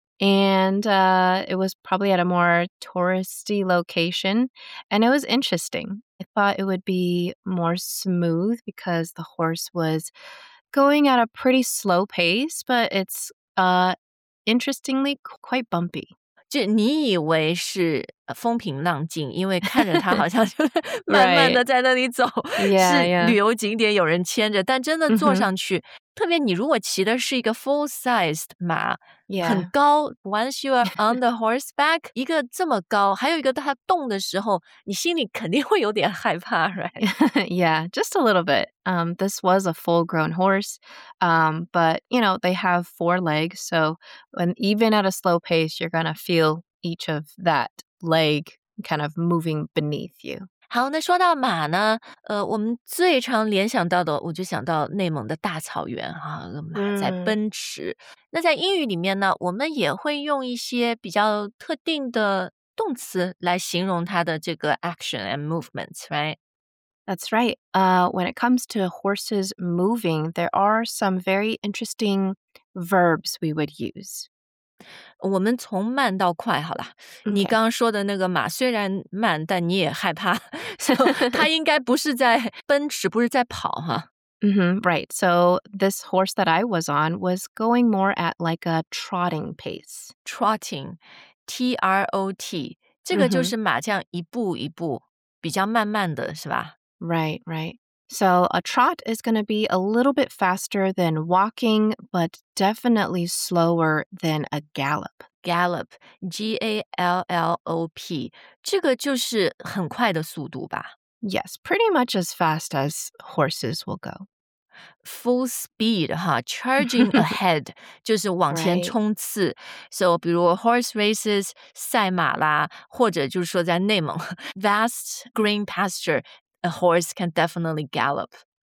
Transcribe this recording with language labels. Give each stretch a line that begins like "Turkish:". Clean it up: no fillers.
English: And it was probably at a more touristy location. And it was interesting. I thought it would be more smooth because the horse was going at a pretty slow pace, but it's interestingly quite bumpy.
Chinese: 就你以为是风平浪静，因为看着它好像就慢慢的在那里走，
English: right. Yeah,
Chinese: 是旅游景点有人牵着，但真的坐上去特别你如果骑的是一个 full-sized 马、
English: yeah.
Chinese: 很高
English: once you are on the horseback
Chinese: 一个这么高还有一个它动的时候你心里肯定会有点害怕 right?
English: yeah, just a little bit. This was a full-grown horse, but you know, they have four legs, so when, even at a slow pace, you're going to feel each of that leg kind of moving beneath you.
Chinese: 好，那说到马呢，我们最常联想到的，我就想到内蒙的大草原啊，马在奔驰。那在英语里面呢，我们也会用一些比较特定的动词来形容它的这个
English: action and movements, right? That's right. When it comes to horses moving, there are some very interesting verbs we would use.
Chinese: 我们从慢到快好了、okay. 你刚刚说的那个马虽然慢但你也害怕它应该不是在奔驰不是在跑哈、
English: mm-hmm, Right, so this horse that I was on was going more at like a trotting pace
Chinese: Trotting, T-R-O-T 这个就是马这样一步一步、mm-hmm. 比较慢慢的是吧
English: Right, right So a trot is going to be a little bit faster than walking, but definitely slower than a gallop. Gallop, G-A-L-L-O-P.
Chinese: 这个就是很快的速度吧?
English: Yes, pretty much as fast as horses will go. Full speed, huh? Charging ahead,
Chinese: 就是往前冲刺。
English: Right. So 比如 horse races, 赛马啦,
Chinese: 或者就是说在内蒙,
English: vast green pasture,A horse can definitely gallop.